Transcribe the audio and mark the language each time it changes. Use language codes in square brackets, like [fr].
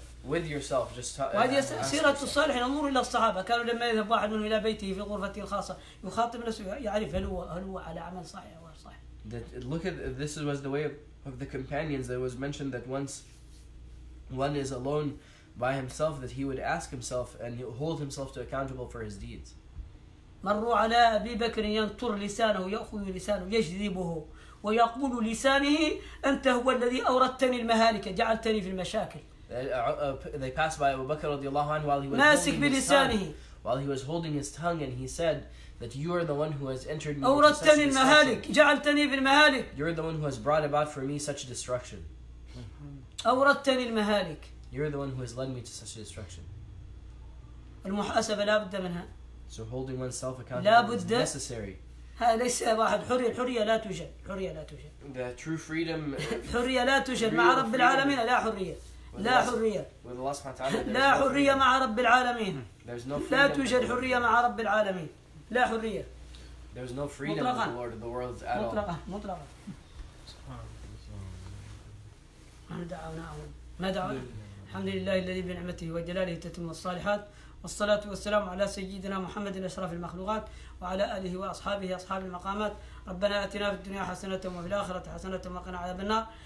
[en] with yourself, just look at this was the way of the companions. There was mentioned that once one is alone by himself, that he would ask himself and he'll hold himself to accountable for his deeds. [ar] مروا على أبي بكر ينطر لسانه ويأخذ لسانه يجذبه ويقول لسانه أنت هو الذي أوردتني المهالك جعلتني في المشاكل. [en] They passed by Abu Bakr radiallahu anhu while he was [ar] ماسك بلسانه. [en] While he was holding his tongue and he said that you are the one who has entered me. [ar] أوردتني المهالك جعلتني في المهالك. [en] You're the one who has brought about for me such destruction. [ar] أوردتني المهالك. [en] You're the one who has led me to such destruction. [ar] المحاسبة لا بد منها. [en] So holding oneself accountable is necessary. The true freedom. [ar] حرية لا توجد مع رب العالمين لا حرية لا حرية. [en] With Allah [ar] سبحانه وتعالى. لا حرية مع رب العالمين. [en] There's no freedom. [ar] لا توجد حرية مع رب العالمين لا حرية. [en] There's no freedom with the Lord of the worlds at all. [ar] مطلقة مطلقة. ما دعونا الحمد لله الذي بنعمته وجلاله تتم الصالحات. والصلاة والسلام على سيدنا محمد أشرف المخلوقات وعلى آله وأصحابه أصحاب المقامات. ربنا آتنا في الدنيا حسنة وفي الآخرة حسنة وقنا عذاب النار.